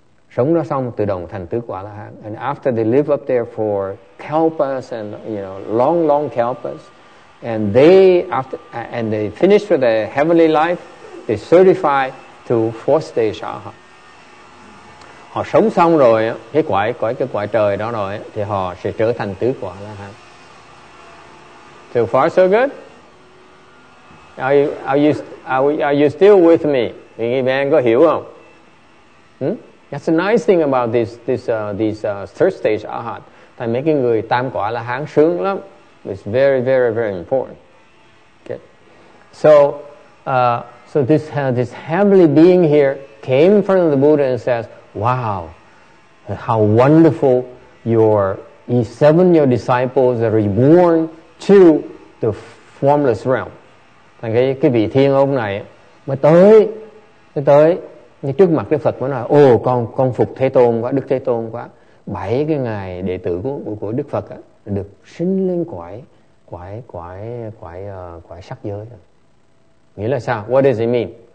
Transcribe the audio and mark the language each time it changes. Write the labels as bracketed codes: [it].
[vi] Sống nó xong tự động thành tứ quả la hán. [en] And after they live up there for kalpas and you know long kalpas, and they finish with their heavenly life, they certify to fourth stage arhat. [vi] Họ sống xong rồi cái quả trời đó rồi thì họ sẽ trở thành tứ quả la hán. [en] So far so good. Are you still with me? [vi] Quý vị có hiểu không? [en] That's a nice thing about this third stage arhat. [vi] Tại mấy cái người tam quả la hán sướng lắm. [en] It's very very very important. Okay. So this heavenly being here came in front of the Buddha and says, "Wow, how wonderful! Your seven your disciples are reborn to the formless realm." [vi] Thành cái vị thiên ông này mới tới. Nhưng trước mặt Đức Phật mới nói, ồ con phục Thế Tôn quá, Đức Thế Tôn quá. Bảy cái ngài đệ tử của Đức Phật á, được sinh lên quải sắc giới. Nghĩa là sao? [en] What does it mean?